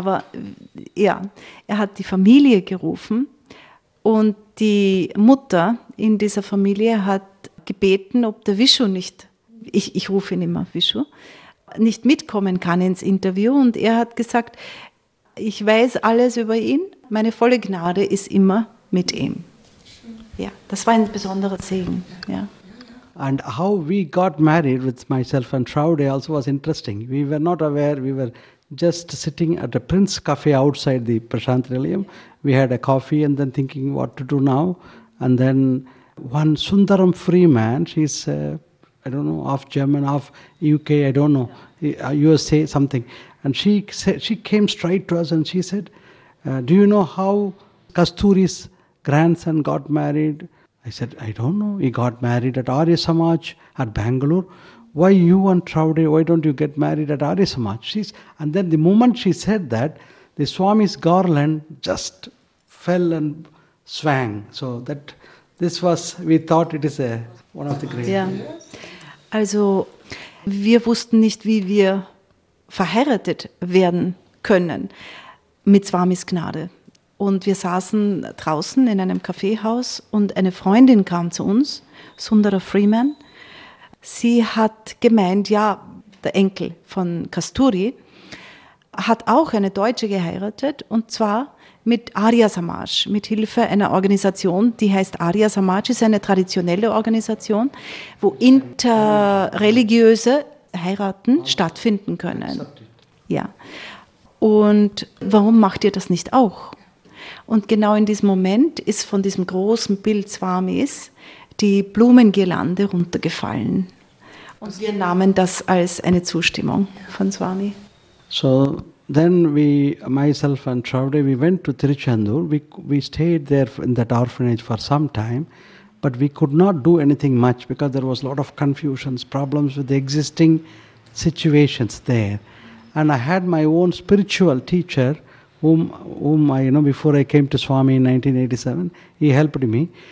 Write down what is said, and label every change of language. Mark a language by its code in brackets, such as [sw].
[de] Aber ja, er hat die Familie gerufen und die Mutter in dieser Familie hat gebeten, ob der Vishu nicht, ich rufe ihn immer Vishu, nicht mitkommen kann ins Interview. Und er hat gesagt, "Ich weiß alles über ihn, meine volle Gnade ist immer mit ihm." Ja, das war ein besonderer Segen, ja. [en] And how we got married with myself and Traude also was interesting. We were not aware, we were just sitting at a Prince Cafe outside the Prashantralayam. We had a coffee and then thinking what to do now. And then one Sundaram Freeman, she's, half German, half UK, I don't know, USA, something. And she came straight to us and she said, "Do you know how Kasturi's grandson got married?" I said, "I don't know. He got married at Arya Samaj at Bangalore. Why you and Traude, why don't you get married at Arya Samaj?" And then the moment she said that, the Swami's garland just fell and swang. So that this was, we thought it is one of the great. Yeah. [de] Also, wir wussten nicht, wie wir verheiratet werden können mit Swamis Gnade. Und wir saßen draußen in einem Kaffeehaus und eine Freundin kam zu uns, Sundara Freeman. Sie hat gemeint, ja, der Enkel von Kasturi hat auch eine Deutsche geheiratet und zwar mit Arya Samaj, mit Hilfe einer Organisation, die heißt Arya Samaj, ist eine traditionelle Organisation, wo interreligiöse Heiraten stattfinden können. Ja. Und warum macht ihr das nicht auch? Und genau in diesem Moment ist von diesem großen Bild Swamis die Blumengirlande runtergefallen. Und wir nahmen das als eine Zustimmung von Swami. [en] So then we, myself and Shravade, we went to Tiruchendur. We stayed there in that orphanage for some time, but we could not do anything much because there was a lot of confusions, problems with the existing situations there. And I had my own spiritual teacher, whom I, you know, before I came to Swami in 1987, he helped me.